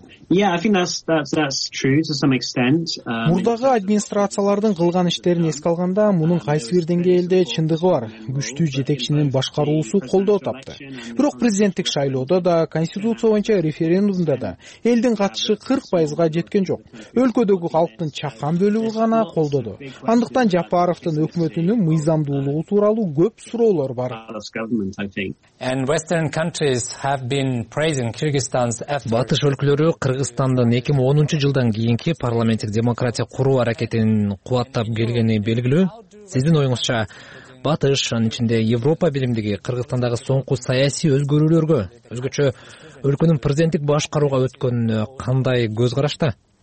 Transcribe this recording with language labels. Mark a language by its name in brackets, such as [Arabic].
[English] Yeah, I think that's true to some extent. [Kyrgyz] Мурдагы администрациялардын кылган иштерин эске алганда, мунун кайсы бир деңгээлде чындыгы бар. Күчтүү жетекчинин башкаруусу колдоо тапты. Бирок президенттик шайлоодо да, конституция боюнча референдумда да элдин катышы 40%га жеткен жок. Өлкөдөгү халктын чакан бөлүгү гана колдоду. Андыктан Жапаровдун өкмөтүнүн мыйзамдуулугу тууралуу көп суроолор бар. [English] And Western countries have been praising Kyrgyzstan's efforts. [Kyrgyz] Батыш өлкөлөрү Кыргызстандын 2010 жылдан кийинки парламенттик демократия куруу аракетин кубаттап келгени белгилүү. Сиздин оюңузча, Батыш, анын ичинде Европа билимдиги Кыргызстандагы соңку саясий өзгөрүүлөргө, өзгөчө өлкөнүн президенттик башкарууга өткөнүнө кандай көз карашта?